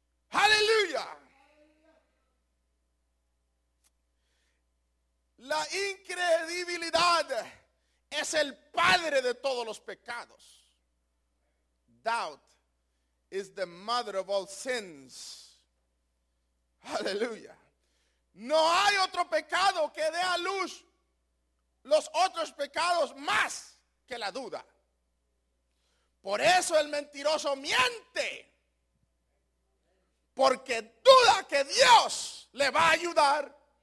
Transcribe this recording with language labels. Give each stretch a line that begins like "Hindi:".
Spanish: ¡Aleluya! La incredulidad es el padre de todos los pecados.
English: Doubt is the mother of all sins.
Spanish: ¡Aleluya! No hay otro pecado que dé a luz los otros pecados más que la duda. Por eso el mentiroso miente. Porque duda que Dios le va a ayudar.